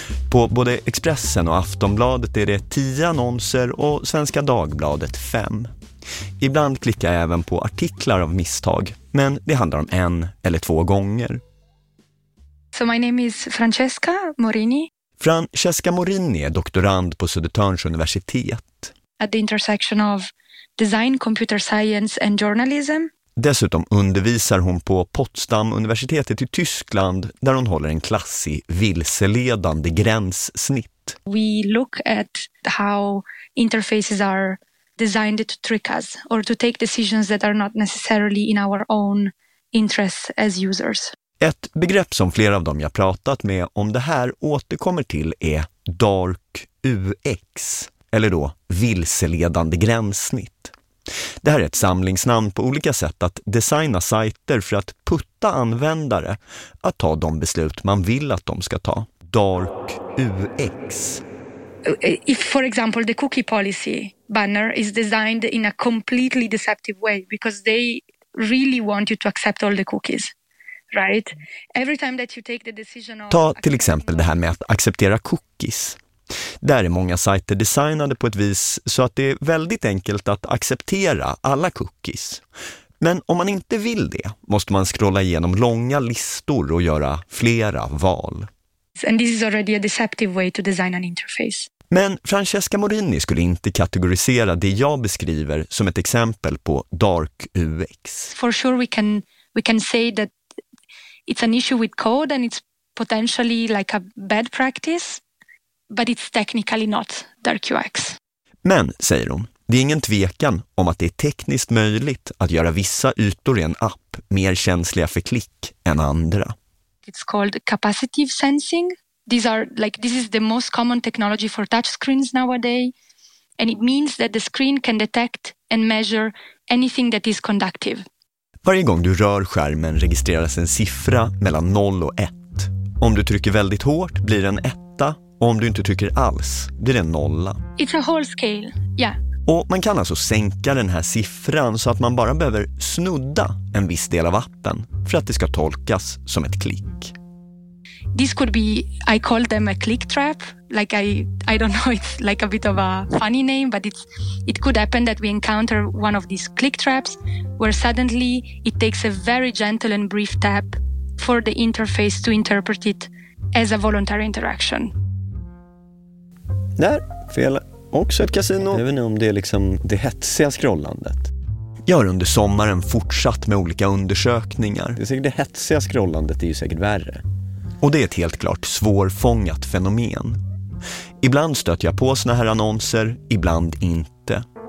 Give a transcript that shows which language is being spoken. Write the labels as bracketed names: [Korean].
[Swedish] På både Expressen och Aftonbladet är det 10 annonser och Svenska Dagbladet 5. Ibland klickar jag även på artiklar av misstag, men det handlar om en eller två gånger. [English] So my name is Francesca Morini. [Swedish] Francesca Morini är doktorand på Södertörns universitet. [English] At the intersection of design, computer science and journalism. [Swedish] Dessutom undervisar hon på Potsdam-universitetet i Tyskland där hon håller en klass i vilseledande gränssnitt. [English] We look at how interfaces are designed to trick us or to take decisions that are not necessarily in our own interests as users. [Swedish] Ett begrepp som flera av dem jag pratat med om det här återkommer till är dark UX, eller då vilseledande gränssnitt. Det här är ett samlingsnamn på olika sätt att designa sajter för att putta användare att ta de beslut man vill att de ska ta. Dark UX. [English] If for example the cookie policy banner is designed in a completely deceptive way because they really want you to accept all the cookies. Right? Every time that you take the decision of... [Swedish] Ta till exempel det här med att acceptera cookies. Där är många sajter designade på ett vis så att det är väldigt enkelt att acceptera alla cookies. Men om man inte vill det måste man scrolla igenom långa listor och göra flera val. [English] And this is already a deceptive way to design an interface. [Swedish] Men Francesca Morini skulle inte kategorisera det jag beskriver som ett exempel på dark UX. [English] For sure we can say that it's an issue with code and it's potentially like a bad practice. But it's technically not dark UX. [Swedish] Men, säger hon, det är ingen tvekan om att det är tekniskt möjligt att göra vissa ytor i en app mer känsliga för klick än andra. [English] It's called capacitive sensing. These are like this is the most common technology for touchscreens nowadays, and it means that the screen can detect and measure anything that is conductive. [Swedish] Varje gång du rör skärmen registreras en siffra mellan 0 och 1. Om du trycker väldigt hårt blir den 1. Och om du inte tycker alls, blir det en nolla. [English] It's a whole scale, yeah. [Swedish] Och man kan alltså sänka den här siffran så att man bara behöver snudda en viss del av appen för att det ska tolkas som ett klick. [English] This could be, I call them a click trap. Like I don't know, it's like a bit of a funny name, but it could happen that we encounter one of these click traps where suddenly it takes a very gentle and brief tap for the interface to interpret it as a voluntary interaction. [Swedish] Där, fel. Också ett kasino. Jag vet inte om det är liksom det hetsiga scrollandet. Jag har under sommaren fortsatt med olika undersökningar. Det är säkert det hetsiga scrollandet, det är ju säkert värre. Och det är ett helt klart svårfångat fenomen. Ibland stöter jag på såna här annonser, ibland inte.